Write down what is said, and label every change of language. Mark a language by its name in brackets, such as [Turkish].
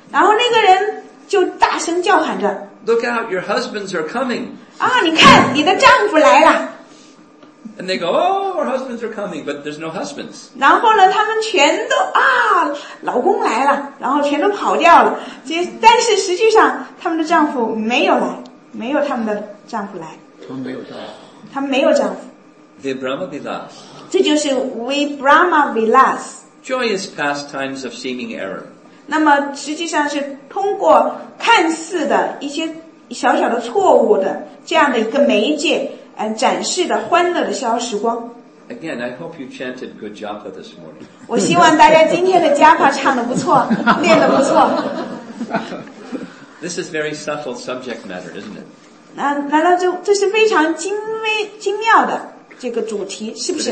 [Chinese] 然后那个人就大声叫喊着。 [English] Look out, your husbands are coming. [Chinese] 啊你看你的丈夫来了。 [English] And they go, oh, our husbands are coming, but there's no husbands. [Chinese] 然后呢他们全都啊老公来了然后全都跑掉了。但是实际上他们的丈夫没有来没有他们的丈夫来。他们没有丈夫。 [English] Vibrahma Vilas. [Chinese] 这就是 Vibrahma Vilas. [English] Joyous pastimes of seeming error. [Chinese] 那么实际上是通过看似的一些小小的错误的这样的一个媒介And 展示的欢乐的逍遥时光。 [English] Again, I hope you chanted good japa this morning. [Chinese] 我希望大家今天的 japa 唱得不错，练得不错。 [English] This is very subtle subject matter, isn't it? [Chinese] 难道 这是非常精妙的这个主题，是不是？